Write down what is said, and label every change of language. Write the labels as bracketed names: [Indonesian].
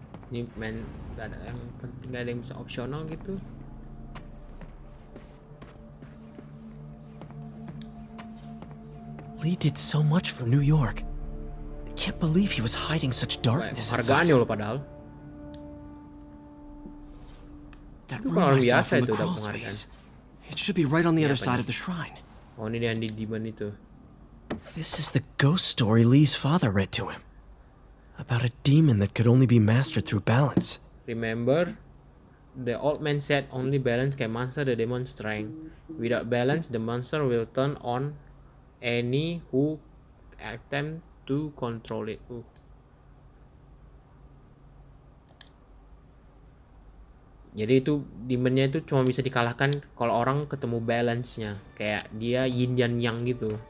[Indonesian] Ini main gak ada yang bisa opsional gitu. [English] Lee did so much for New York. I can't believe he was hiding such darkness. [Indonesian] Hargaannya loh padahal. [English] That room I saw from the crawl space. It should be right on the other side of the shrine. [Indonesian] Oh ini dia di demon itu. [English] This is the ghost story Lee's father read to him. About a demon that could only be mastered through balance. Remember, the old man said only balance can master the demon's strength. Without balance, the monster will turn on any who attempt to control it. Ooh. [Indonesian] Jadi itu demonnya itu cuma bisa dikalahkan kalau orang ketemu balance-nya. Kayak dia yin dan yang gitu.